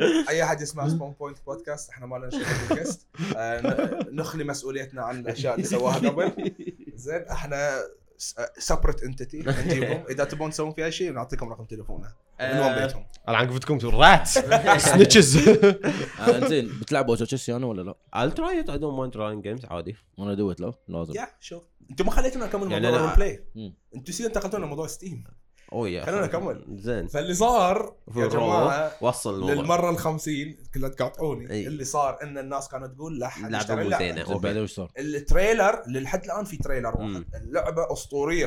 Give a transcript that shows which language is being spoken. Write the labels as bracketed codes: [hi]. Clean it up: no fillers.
[ar] أي أحد يسمع Small Point Podcast إحنا ما لنا شغل بالكاست. نخلي مسؤوليتنا عن الأشياء اللي سواها قبل. زين إحنا [en] separate entity. [ar] نجيبهم. إذا تبون تسوون فيها شيء نعطيكم رقم تليفونه. أنا عن قفتكم تقول رات سنيتشز انزين بتلعبوا اوتوتشيسيون ولا لا؟ [en] I'll try it. I don't mind trying games عادي [ar] وانا دوت لو لازم يا شو انتوا ما خليتونا نكمل موضوع الجيم بلاي انتوا سيدي انتقلتونا لموضوع ستيم او يا خلونا نكمل زين فاللي صار يا جماعة وصل للمرة الخمسين كلها تقاطعوني اللي صار ان الناس كانت تقول لا حد يشتري اللعبة وبعدين وش صار؟ التريلر لحد الان في تريلر اللعبة اسطورية